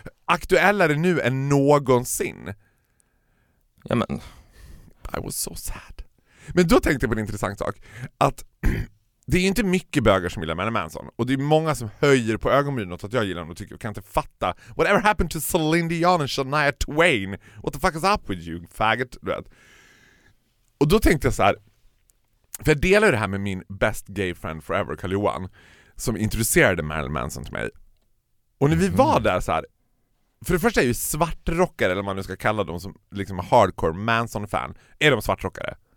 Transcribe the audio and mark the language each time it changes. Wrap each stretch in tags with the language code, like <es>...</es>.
<sv>Aktuellare nu än någonsin. Ja, men</sv> <en>I was so sad.</en> <sv>Men då tänkte jag på en intressant sak. Att det är inte mycket bögar som gillar Marilyn Manson. Och det är många som höjer på ögonbrynet att jag gillar honom och tycker, jag kan inte fatta.</sv> <en>Whatever happened to Celine Dion and Shania Twain? What the fuck is up with you, faggot?</en> <sv>Du vet. Och då tänkte jag så här. För jag delar det här med min</sv> <en>best gay friend forever,</en> <sv>Karl-Johan, som introducerade Marilyn Manson till mig. Och när vi var där så här. För det första är ju svartrockare, eller vad man nu ska kalla dem, som liksom hardcore Manson-fan, är de svartrockare?</sv>